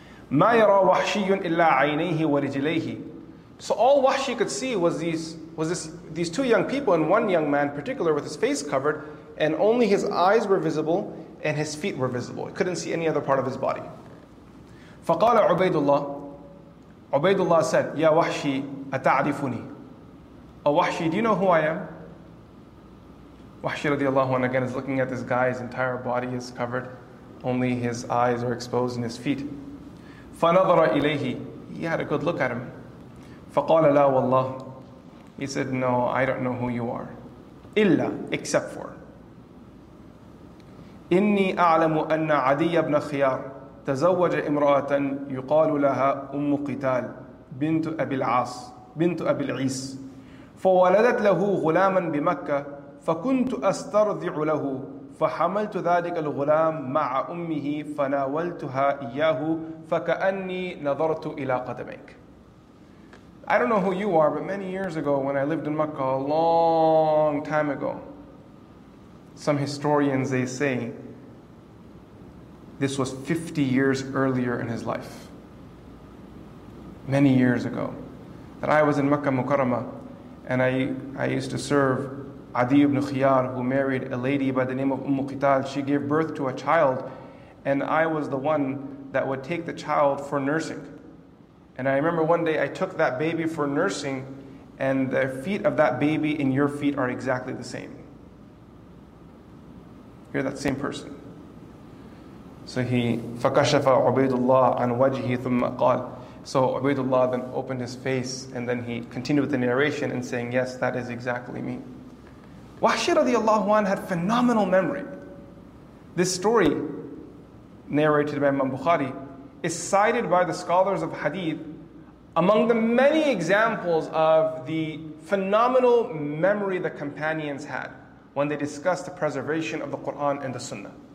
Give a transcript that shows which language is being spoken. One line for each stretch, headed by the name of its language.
Arabic: مَا يَرَى وَحْشِيٌ إِلَّا عَيْنَيْهِ وَرِجِلَيْهِ.
English: So all Wahshi could see was these two young people, and one young man in particular with his face covered, and only his eyes were visible and his feet were visible. He couldn't see any other part of his body.
Arabic: فَقَالَ عُبَيْدُ.
English: Ubaidullah said,
Arabic: يَا وَحْشِي أَتَعْرِفُنِي.
English: O Wahshi, do you know who I am? Wahshi radiallahu anhu again is looking at this guy, his entire body is covered, only his eyes are exposed and his feet.
Arabic: فَنَظَرَ إِلَيْهِ.
English: He had a good look at him.
Arabic: فَقَالَ لَا وَاللَّهُ.
English: He said, no, I don't know who you are. إِلَّا, except for.
Arabic: إِنِّي أَعْلَمُ أَنَّ عَدِيَّ بْنَ خِيَارٍ تَزَوَّجَ إِمْرَأَةً يُقَالُ لَهَا أُمُّ قِتَالٍ بِنْتُ أَبِي الْعَاصِ بِنْتُ أَبِي الْعِيسِ. فولدت له غلاما بمكة فكنت أسترضع له فحملت ذلك الغلام مع أمه فناولتها إياه فكأني نظرت إلى قدميك.
English: I don't know who you are, but many years ago when I lived in Mecca, a long time ago, some historians, they say, this was 50 years earlier in his life. Many years ago. That I was in Mecca Mukarramah, and I used to serve Adi ibn Khiyar, who married a lady by the name of Umm Qital. She gave birth to a child, and I was the one that would take the child for nursing. And I remember one day I took that baby for nursing, and the feet of that baby and your feet are exactly the same. You're that same person. So he,
Arabic: فَكَشَفَ عُبَيْدُ اللَّهِ عَنْ وَجْهِ ثُمَّ قَالَ.
English: So Ubaydullah then opened his face, and then he continued with the narration and saying, yes, that is exactly me. Wahshi radiallahu anhu had phenomenal memory. This story, narrated by Imam Bukhari, is cited by the scholars of hadith among the many examples of the phenomenal memory the companions had when they discussed the preservation of the Quran and the Sunnah.